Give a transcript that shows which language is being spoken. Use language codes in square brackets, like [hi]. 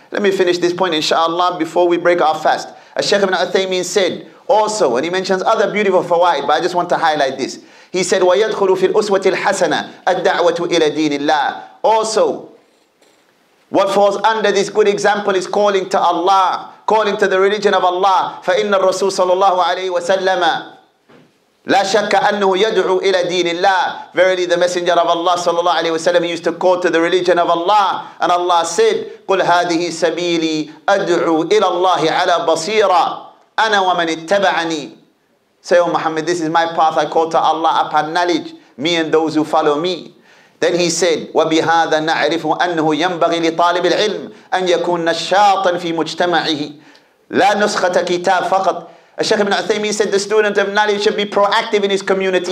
[en] Let me finish this point, inshallah, before we break our fast. As Sheikh Ibn Uthaymeen said also, and he mentions other beautiful fawaid, but I just want to highlight this. He said, [ar] وَيَدْخُلُ فِي الْأُسْوَةِ الْحَسَنَةِ الدَّعْوَةُ إِلَى دِينِ اللَّهِ [en] Also, what falls under this good example is calling to Allah, calling to the religion of Allah. [ar] فَإِنَّ الرَّسُولَ صَلَى اللَّهُ عَلَيْهِ وَسَلَّمَ لَا شَكَّ أَنَّهُ يَدْعُ إِلَى دِينِ اللَّهِ [en] Verily the Messenger of Allah صلى الله عليه وسلم used to call to the religion of Allah. And Allah said, [ar] قُلْ هَذِهِ سَبِيلِي أَدْعُ إِلَى اللَّهِ عَلَى بَصِيرًا أَنَا وَمَنِ اتَّبَعَنِي [en] Say, O Muhammad, this is my path. I call to Allah upon knowledge, me and those who follow me. Then he said, [ar] وَبِهَذَا نَعْرِفُ أَنْهُ يَنْبَغِي لِطَالِبِ الْعِلْمِ أَنْ يَكُونَ شَاطًا فِي مُجْتَمَعِهِ لَا نُسْخَةَ كِتَاب فَقَطْ [en] Sheikh Ibn Uthaymeen said, the student of knowledge should be proactive in his community.